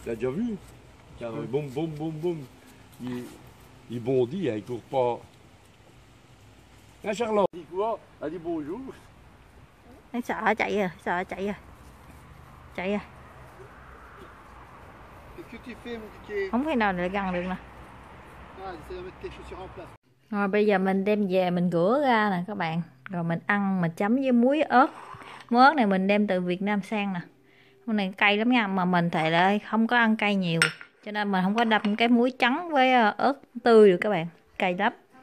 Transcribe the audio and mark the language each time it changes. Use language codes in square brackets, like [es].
[fr] T'as déjà vu? Quand il boum boum boum boum. Il bondit, il court pas. Là, Charlotte. Il dit quoi? Elle dit bonjour. Ça va, [vi] chạy, [fr] ça va, [vi] chạy. Chạy. [fr] Et que tu fais, mon petit? [vi] Không thể nào để gần được nè. [fr] Ah, j'essaie de mettre tes chaussures en place. [vi] Rồi bây giờ mình đem về mình rửa ra nè các bạn. Rồi mình ăn mà chấm với muối ớt. Muối ớt này mình đem từ Việt Nam sang nè. Muối này cay lắm nha. Mà mình thì là không có ăn cay nhiều, cho nên mình không có đập cái muối trắng với ớt tươi được các bạn. Cay lắm.